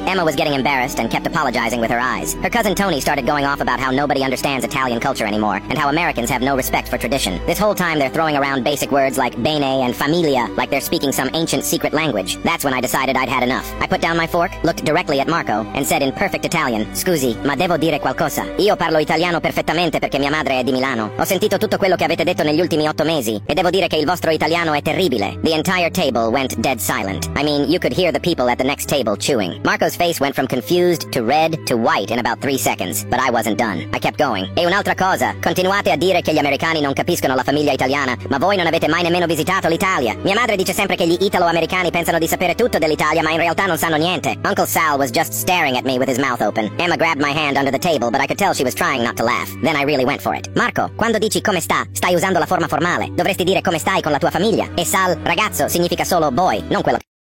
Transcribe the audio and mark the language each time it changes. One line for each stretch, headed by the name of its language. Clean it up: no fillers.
English: Emma was getting embarrassed and kept apologizing with her eyes. Her cousin Tony started going off about how nobody understands Italian culture anymore, and how Americans have no respect for tradition. This whole time they're throwing around basic words like bene and familia, like they're speaking some ancient secret language. That's when I decided I'd had enough. I put down my fork, looked directly at Marco, and said in perfect Italian,
Italian: scusi, ma devo dire qualcosa. Io parlo italiano perfettamente perché mia madre è di Milano. Ho sentito tutto quello che avete detto negli ultimi 8 mesi, e devo dire che il vostro italiano è terribile.
English: The entire table went dead silent. I mean, you could hear the people at the next table chewing. Marco's face went from confused to red to white in about 3 seconds, but I wasn't done. I kept going.
Italian: E un'altra cosa, continuate a dire che gli americani non capiscono la famiglia italiana, ma voi non avete mai nemmeno visitato l'Italia. Mia madre dice sempre che gli italo-americani pensano di sapere tutto dell'Italia, ma in realtà non sanno niente.
English: Uncle Sal was just staring at me with his mouth open. Emma grabbed my hand under the table, but I could tell she was trying not to laugh. Then I really went for it.
Italian: Marco, quando dici come sta, stai usando la forma formale. Dovresti dire come stai con la tua famiglia. E Sal, ragazzo, significa solo boy, non quello che...